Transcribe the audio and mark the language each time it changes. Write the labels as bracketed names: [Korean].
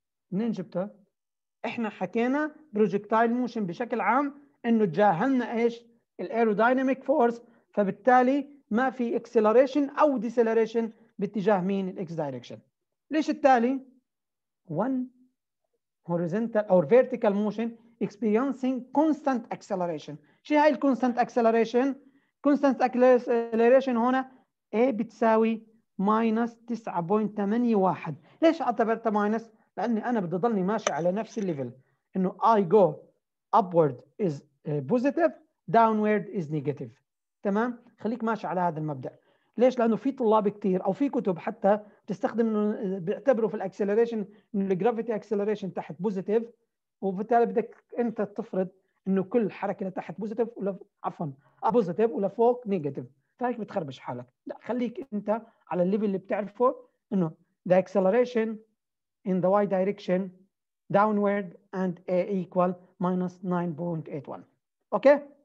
[Arabic] منين جبتها احنا حكينا بروجكتايل موشن بشكل عام انه تجاهلنا ايش الايروداينامك فورس فبالتالي ما في اكسلريشن او ديسلريشن باتجاه مين الاكس دايركشن ليش التالي 1 [English] Horizontal or vertical motion experiencing constant acceleration. [Arabic] شو هاي constant acceleration؟ constant acceleration هنا A بتساوي minus 9.81. ليش اعتبرتها minus؟ لأني أنا بدي ضلني ماشي على نفس الليفل. إنه [English] I go upward is positive, downward is negative. [Arabic] تمام؟ خليك ماشي على هذا المبدأ. ليش؟ لأنه في طلاب كتير أو في كتب حتى تستخدم إنه بيعتبروا في acceleration إنه gravity acceleration تحت positive. وبالتالي بدك انت تفرض انه كل حركه لتحت بوزيتيف ولا عفوا بوزيتيف ولا فوق نيجاتيف فهيك بتخربش حالك لا خليك انت على الليفل اللي بتعرفه انه [English] the acceleration in the y direction downward and a equal minus 9.81 [Arabic] اوكي